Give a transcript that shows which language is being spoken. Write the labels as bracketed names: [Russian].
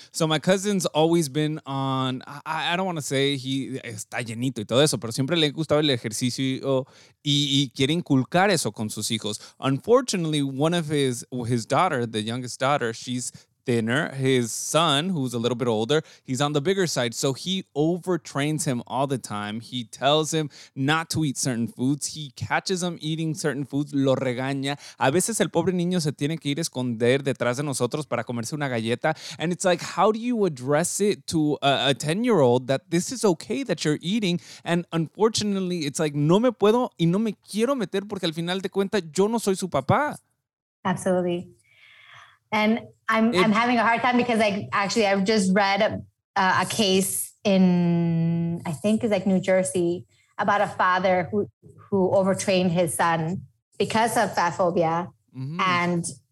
[English] So my cousin's always been on, I don't want to say he [Spanish] está llenito y todo eso, pero siempre le gustaba el ejercicio y quiere inculcar eso con sus hijos. [English] Unfortunately, one of his daughter, the youngest daughter, she's thinner. His son, who's a little bit older, he's on the bigger side. So he overtrains him all the time. He tells him not to eat certain foods. He catches him eating certain foods. [Spanish] Lo regaña. A veces el pobre niño se tiene que ir a esconder detrás de nosotros para comerse una galleta. [English] And it's like, how do you address it to a 10-year-old that this is okay that you're eating? And unfortunately, it's like, [Spanish] no me puedo y no me quiero meter porque al final de cuentas, yo no soy su papá. [English] Absolutely. And I'm having a hard time because I've just read a case in, I think it's like New Jersey, about a father who overtrained his son because of fat phobia. Mm-hmm.